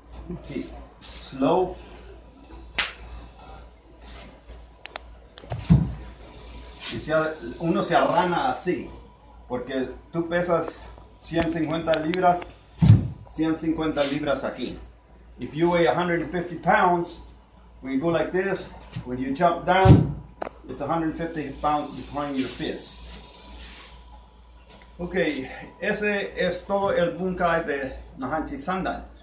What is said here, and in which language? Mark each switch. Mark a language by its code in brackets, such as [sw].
[es] Aquí. [en] Slow. [es] Y si uno se arrana así, porque tú pesas 150 libras, 150 libras aquí. [en] If you weigh 150 pounds, when you go like this, when you jump down, it's 150 pounds behind your fist. [es] Ok, ese es todo el bunkai de Naihanchi San Dan.